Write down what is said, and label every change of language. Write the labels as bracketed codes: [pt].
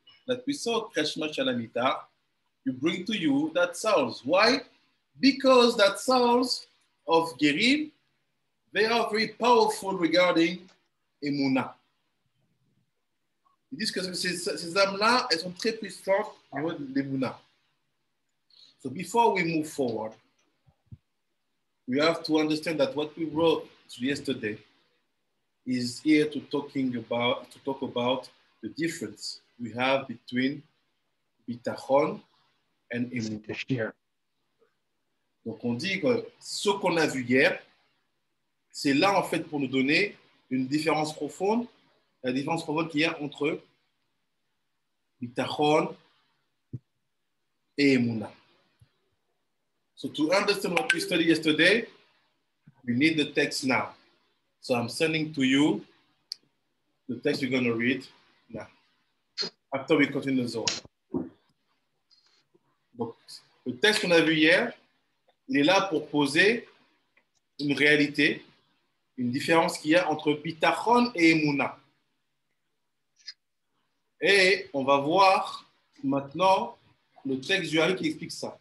[en] That we saw Krishna Chalamita, you bring to you that souls. Why? Because that souls of Girim, they are very powerful regarding Emuna. [fr] Ils disent que ces âmes-là, elles sont très puissantes au niveau de l'Emuna. [en] So before we move forward, we have to understand that what we wrote yesterday is here to talk about the difference we have between Bitachon and Emuna. [fr] Donc on dit que ce qu'on a vu hier, c'est là en fait pour nous donner une différence profonde, la différence profonde qu'il y a entre Bitachon et Emuna. [en] So to understand what we studied yesterday, we need the text now. So I'm sending to you the text you're going to read now. After we continue the Zohar. [fr] Donc, le texte qu'on a vu hier, il est là pour poser une réalité, une différence qu'il y a entre Bitachon et Emuna. Et on va voir maintenant le texte du Hari qui explique ça.